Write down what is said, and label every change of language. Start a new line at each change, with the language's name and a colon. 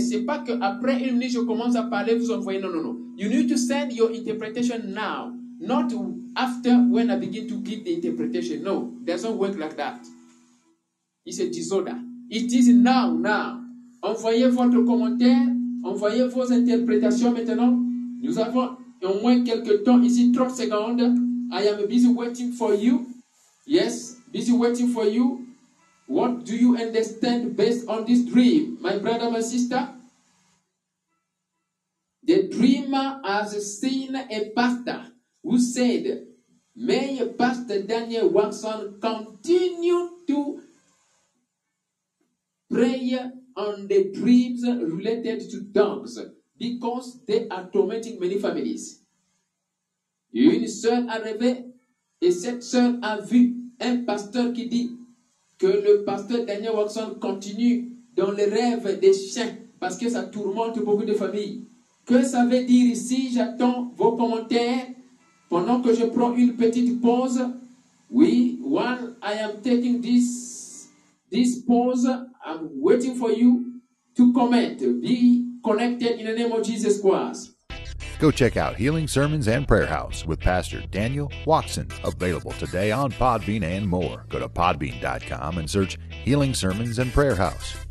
French: C'est pas que après une minute, je commence à parler, vous envoyez. Non, non, non.
English: You need to send your interpretation now. Not after when I begin to give the interpretation. No, it doesn't work like that. It's a disorder. It is now, now.
French: Envoyez votre commentaire. Envoyez vos interprétations maintenant. Nous avons au moins quelques temps ici, 30 secondes.
English: I am busy waiting for you. Yes, busy waiting for you. What do you understand based on this dream, my brother, my sister? The dreamer has seen a pastor who said, "May Pastor Daniel Watson continue to pray on the dreams related to dogs because they are tormenting many families."
French: Une sœur a rêvé et cette sœur a vu un pasteur qui dit que le pasteur Daniel Watson continue dans le rêve des chiens parce que ça tourmente beaucoup de familles. Que ça veut dire ici? J'attends vos commentaires pendant que je prends une petite pause.
English: Oui, while I am taking this pause, I'm waiting for you to comment. Be connected in the name of Jesus Christ. Go check out Healing Sermons and Prayer House with Pastor Daniel Watson. Available today on Podbean and more. Go to podbean.com and search Healing Sermons and Prayer House.